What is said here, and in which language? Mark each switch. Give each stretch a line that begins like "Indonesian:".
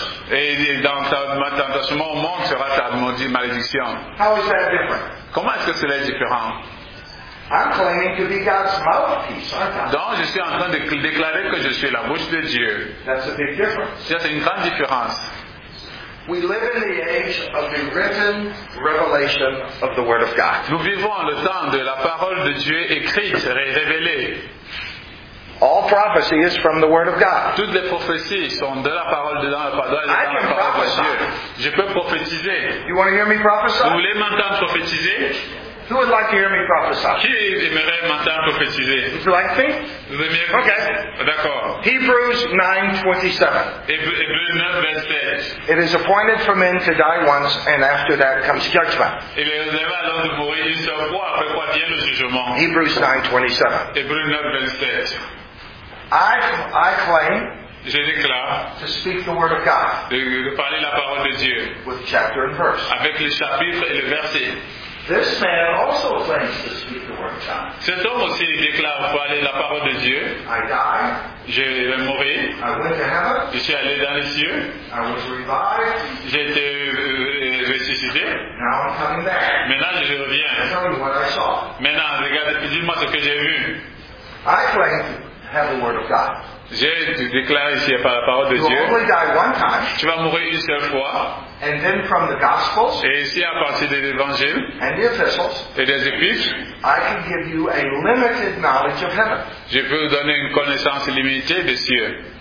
French: Et dans ta chemin au monde sera ta malédiction. Comment est-ce que cela est différent?
English: I'm claiming to be God's mouthpiece, aren't I?
French: Donc, je suis en train de déclarer que je suis la bouche de Dieu.
English: That's a big difference.
French: Ça, c'est une grande différence.
English: We live in the age of the written revelation of the Word of God.
French: Nous vivons le temps de la parole de Dieu écrite et révélée.
English: All prophecy is from the Word of God.
French: Toutes les prophéties sont de la parole de Dieu. Je peux prophétiser.
English: You want to hear me prophesy?
French: Vous voulez m'entendre prophétiser?
English: Who would like to hear me prophesy?
French: Qui aimerait m'entendre prophétiser?
English: Would you like me?
French: Vous aimez?
English: Okay.
French: D'accord.
English: Hebrews 9:27.
French: Hébreux 9:27.
English: It is appointed for men to die once, and after that comes judgment.
French: Il est réservé à l'homme de mourir une seule fois, après quoi vient le jugement.
English: Hebrews 9:27.
French: Hébreux 9:27.
English: I claim.
French: Je déclare.
English: To speak the word of God.
French: De parler la parole de Dieu.
English: With chapter and verse.
French: Avec le chapitre et le verset.
English: This man also claims to speak the word of God.
French: Cet homme aussi déclare parler la parole de Dieu.
English: I die.
French: Je vais mourir.
English: I went to heaven.
French: Je suis allé dans les cieux.
English: I was revived.
French: J'ai été ressuscité.
English: Now I'm coming back.
French: Maintenant je reviens.
English: Tell me what I saw.
French: Maintenant regarde, dis-moi ce que j'ai vu.
English: I claim to have the word of God.
French: J'ai déclaré ici par la parole de Dieu. Tu vas mourir une seule fois.
English: And then from the Gospels,
French: et ici à partir de l'Évangile
English: and the epistles,
French: et des Épîtres,
English: I can give you a limited knowledge of heaven.
French: Je peux vous donner une connaissance limitée des cieux.